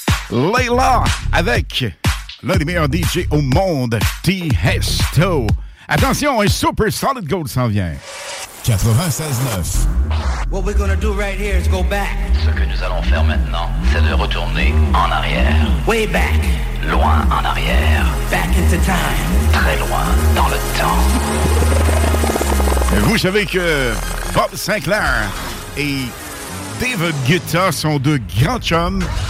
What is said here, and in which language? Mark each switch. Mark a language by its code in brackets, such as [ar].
[fr] Layla avec l'un des meilleurs DJ au monde, Tiësto. Attention, un super solid gold s'en vient. 96.9. [en] What we're gonna do right here is go back. [fr] Ce que nous allons faire maintenant, c'est de retourner en arrière. [en] Way back. [fr] Loin en arrière. [en] Back into time. [fr] Très loin dans le temps. Et vous savez que Bob Sinclair et David Guetta sont deux grands chums.